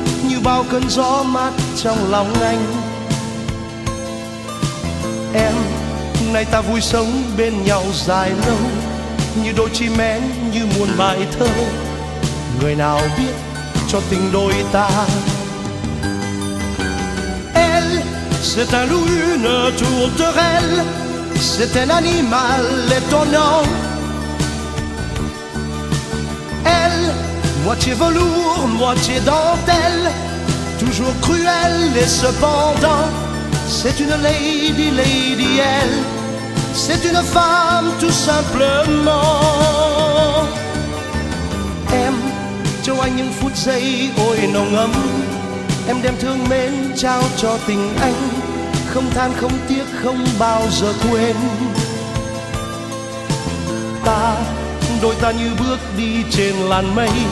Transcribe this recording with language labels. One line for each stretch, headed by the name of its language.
Vietnamese: Như bao cơn gió mát trong lòng anh. Em, nay ta vui sống bên nhau dài lâu. Như đôi chim én, như muôn bài thơ. Người nào biết cho tình đôi ta.
French: Elle, c'est un loup, une tourterelle. C'est un animal étonnant. Elle, moitié velours, moitié dentelle. Toujours cruelle et cependant. C'est une lady, lady elle. C'est une femme tout simplement.
Vietnamese: Em, cho anh những phút giây ôi nồng ấm. Em đem thương mến trao cho tình anh. Không than không tiếc không bao giờ quên. Ta, đôi ta như bước đi trên làn mây.